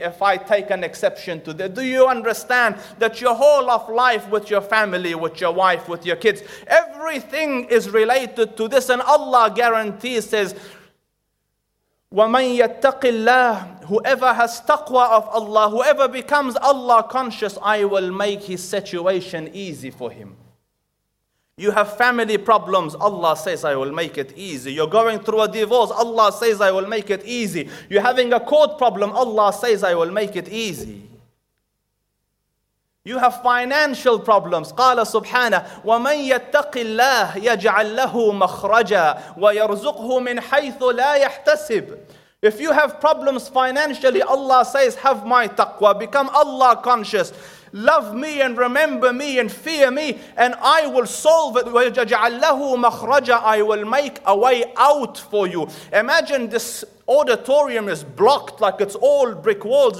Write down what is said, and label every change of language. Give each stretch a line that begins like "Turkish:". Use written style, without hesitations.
English: If I take an exception to this, do you understand that your whole of life with your family, with your wife, with your kids, everything is related to this, and Allah guarantees, says,
Arabic: وَمَنْ يَتَّقِ اللَّهِ,
English: whoever has taqwa of Allah, whoever becomes Allah conscious, I will make his situation easy for him. You have family problems, Allah says, I will make it easy. You're going through a divorce, Allah says, I will make it easy. You're having a court problem, Allah says, I will make it easy. You have financial problems.
Arabic: Qala subhanahu, وَمَنْ يَتَّقِ اللَّهِ يَجْعَلْ لَهُ مَخْرَجًا وَيَرْزُقْهُ مِنْ حَيْثُ لَا يَحْتَسِبُ.
English: If you have problems financially, Allah says, have my taqwa, become Allah conscious. Love me and remember me and fear me, and I will solve it.
Arabic: وَيَجْعَلْ لَهُ مَخْرَجًا,
English: I will make a way out for you. Imagine this auditorium is blocked like it's all brick walls.